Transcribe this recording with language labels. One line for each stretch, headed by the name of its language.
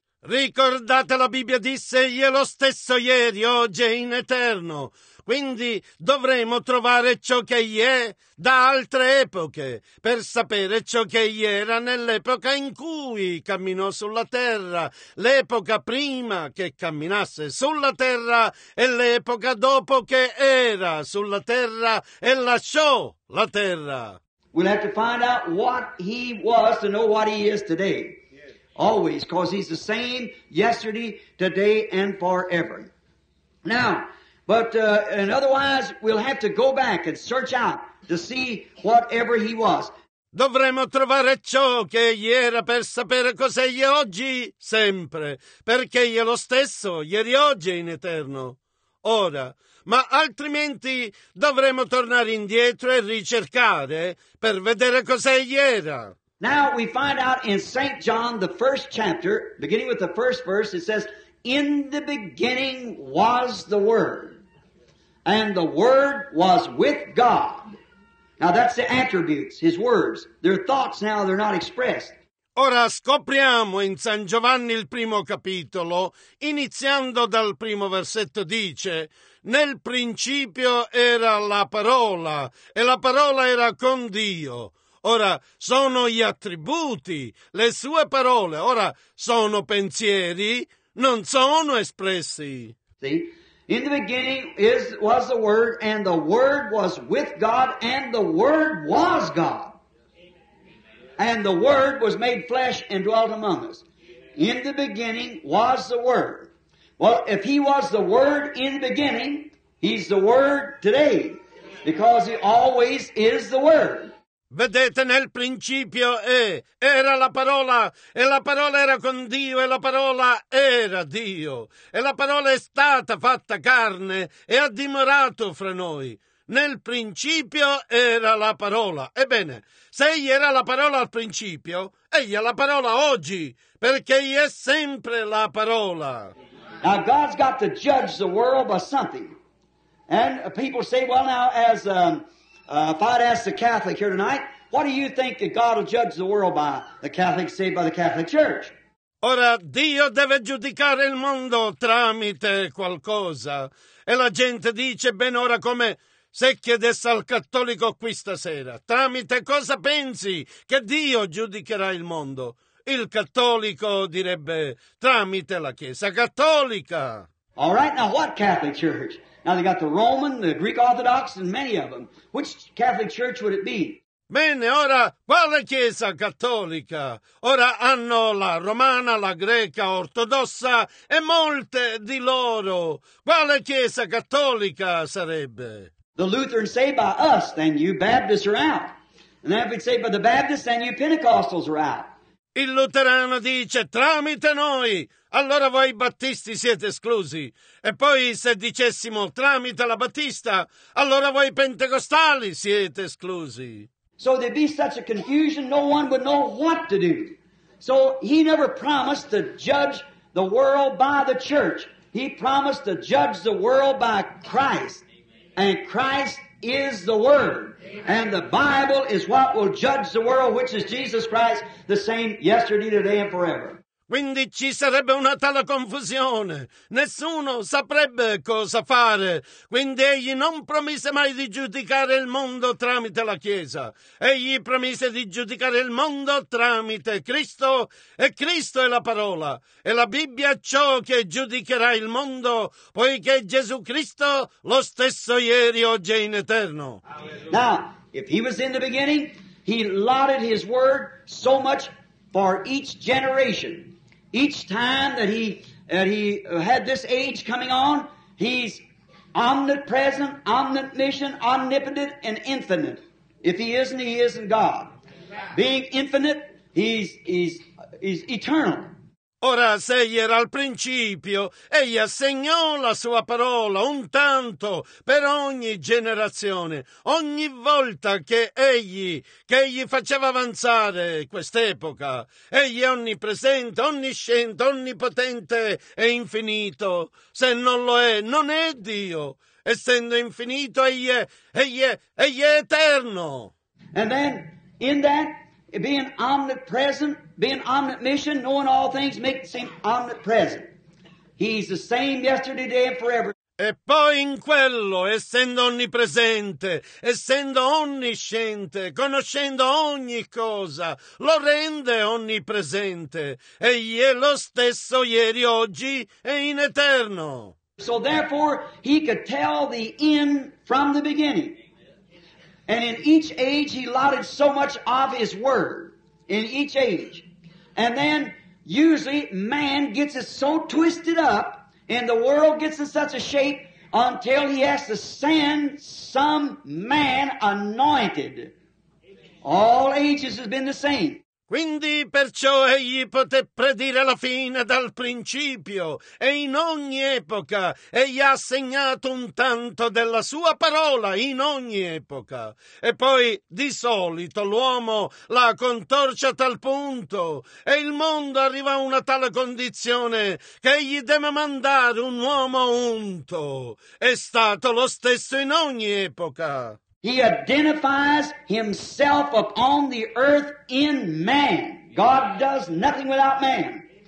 Italian: Ricordate, la Bibbia disse, egli è lo stesso ieri, oggi e in eterno. Quindi dovremo trovare ciò che egli è da altre epoche per sapere ciò che egli era nell'epoca in cui camminò sulla terra, l'epoca prima che camminasse sulla terra e l'epoca dopo che era sulla terra e lasciò la terra.
English: We'll have to find out what he was to know what he is today. Always, because he's the same yesterday, today, and forever. Now, and otherwise, we'll have to go back and search out to see whatever he was.
Italian: Dovremo trovare ciò che egli era per sapere cos'egli è oggi, sempre, perché egli è lo stesso, ieri, oggi e in eterno. Ora, ma altrimenti dovremo tornare indietro e ricercare per vedere cos'egli era.
English: Now we find out in St. John, the first chapter, beginning with the first verse, it says, in the beginning was the Word, and the Word was with God. Now that's the attributes, his words. Their thoughts now, they're not expressed.
Italian: Ora scopriamo in San Giovanni il primo capitolo, iniziando dal primo versetto, dice, nel principio era la parola, e la parola era con Dio. Ora, sono gli attributi, le sue parole. Ora, sono pensieri, non sono espressi.
English: See, in the beginning was the Word, and the Word was with God, and the Word was God. And the Word was made flesh and dwelt among us. In the beginning was the Word. Well, if he was the Word in the beginning, he's the Word today, because he always is the Word.
Italian: Vedete, nel principio era la parola, e la parola era con Dio, e la parola era Dio, e la parola è stata fatta carne e ha dimorato fra noi. Nel principio era la parola. Ebbene, se egli era la parola al principio, egli è la parola oggi, perché egli è sempre la parola.
English: Now God's got to judge the world by something. And people say, well now, as If I'd ask the Catholic here tonight, what do you think that God will judge the world by? The Catholics saved by the Catholic Church.
Italian: Ora, Dio deve giudicare il mondo tramite qualcosa. E la gente dice ben ora come se chiedesse al cattolico qui stasera. Tramite cosa pensi che Dio giudicherà il mondo? Il cattolico direbbe tramite la Chiesa cattolica.
English: All right, now what Catholic Church? Now they got the Roman, the Greek Orthodox, and many of them. Which Catholic Church would it be?
Italian: Bene, ora, quale Chiesa cattolica? Ora hanno la romana, la greca, ortodossa e molte di loro. Quale Chiesa cattolica sarebbe?
English: The Lutheran say by us, then you Baptists are out. And then if it's say by the Baptists, then you Pentecostals are out.
Italian: Il luterano dice tramite noi, allora voi battisti siete esclusi. E poi se dicessimo tramite la battista, allora voi pentecostali siete esclusi.
English: So there'd be such a confusion, no one would know what to do. So he never promised to judge the world by the church. He promised to judge the world by Christ. And Christ is the Word. And the Bible is what will judge the world, which is Jesus Christ, the same yesterday, today, and forever.
Italian: Quindi ci sarebbe una tale confusione. Nessuno saprebbe cosa fare. Quindi egli non promise mai di giudicare il mondo tramite la Chiesa. Egli promise di giudicare il mondo tramite Cristo. E Cristo è la parola. E la Bibbia è ciò che giudicherà il mondo, poiché Gesù Cristo lo stesso ieri, oggi e in eterno.
English: Now, if he was in the beginning, he lauded his word so much for each generation. Each time that he had this age coming on, he's omnipresent, omniscient, omnipotent, and infinite. If he isn't, he isn't God. Being infinite, he's eternal.
Italian: Ora, se egli era al principio, egli assegnò la sua parola un tanto per ogni generazione, ogni volta che egli faceva avanzare quest'epoca. Egli è onnipresente, onnisciente, onnipotente e infinito. Se non lo è, non è Dio. Essendo infinito, egli è eterno.
English: And then, in that, being omnipresent, being omniscient, knowing all things, make the same omnipresent. He's the same yesterday, today, and forever.
Italian: E poi in quello, essendo onnipresente, essendo onnisciente, conoscendo ogni cosa, lo rende onnipresente. Egli è lo stesso ieri, oggi e in eterno.
English: So therefore, he could tell the end from the beginning. And in each age, he lauded so much of his word. In each age. And then, usually, man gets it so twisted up, and the world gets in such a shape, until he has to send some man anointed. All ages has been the same.
Italian: Quindi perciò egli poté predire la fine dal principio, e in ogni epoca egli ha segnato un tanto della sua parola, in ogni epoca. E poi di solito l'uomo la contorce a tal punto, e il mondo arriva a una tale condizione che egli deve mandare un uomo unto. È stato lo stesso in ogni epoca.
English: He identifies himself upon the earth in man. God does nothing without man.